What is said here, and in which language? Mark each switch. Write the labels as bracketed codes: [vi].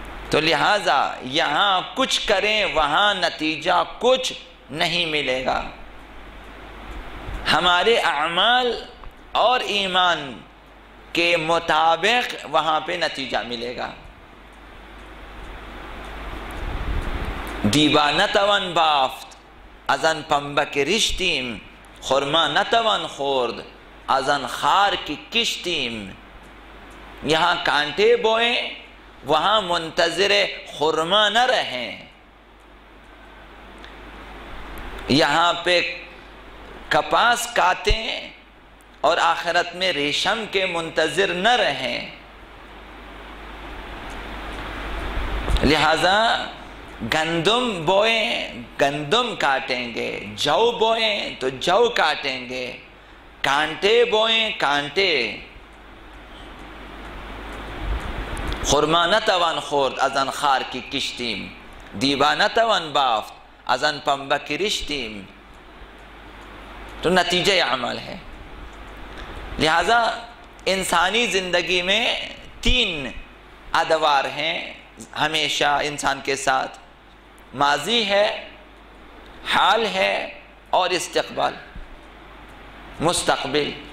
[ur] تو لہذا یہاں کچھ کریں وہاں نتیجہ کچھ نہیں ملے گا. ہمارے اعمال اور ایمان کے مطابق وہاں پہ نتیجہ ملے گا. [fa] دیبا نتوان بافت از ان پنبک رشتیم، خرما نتوان خورد از ان خار کی کشتیم. [ur] یہاں کانٹے بوئیں وہاں منتظر خرما نہ رہیں، یہاں پہ کپاس کاتیں اور آخرت میں ریشم کے منتظر نہ رہیں. لہذا گندم بوئیں گندم کاٹیں گے، جو بوئیں تو جو کاٹیں گے، کانٹے بوئیں کانٹے. [fa] خرما نتوان خورد از ان خار کی کشتیم، دیبا نتوان بافت از ان پنبہ کی رشتیم. [ur] تو نتیجہ عمل ہے. لہذا انسانی زندگی میں تین ادوار ہیں ہمیشہ انسان کے ساتھ، ماضی ہے، حال ہے اور استقبال مستقبل.